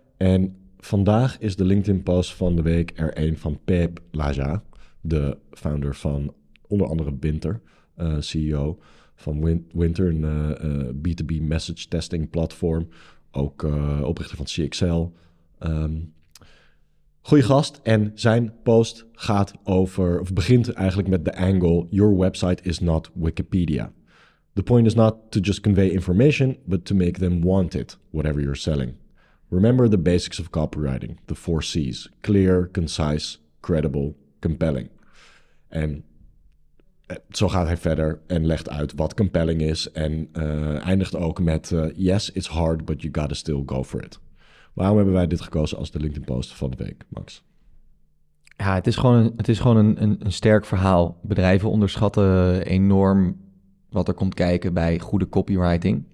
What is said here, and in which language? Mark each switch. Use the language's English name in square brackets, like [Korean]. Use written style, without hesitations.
[Dutch] En vandaag is de LinkedIn post van de week er een van Pep Laja, de founder van onder andere Winter, CEO van Winter, een B2B message testing platform, ook oprichter van CXL. Goeie gast, en zijn post gaat over, of begint eigenlijk met de angle: [English] your website is not Wikipedia. The point is not to just convey information, but to make them want it, whatever you're selling. Remember the basics of copywriting, the 4 C's: clear, concise, credible, compelling. [Dutch] En zo gaat hij verder en legt uit wat compelling is en eindigt ook met [English] yes, it's hard, but you gotta still go for it. [Dutch] Waarom hebben wij dit gekozen als de LinkedIn post van de week, Max? Ja, het is gewoon een sterk verhaal. Bedrijven onderschatten enorm wat er komt kijken bij goede copywriting.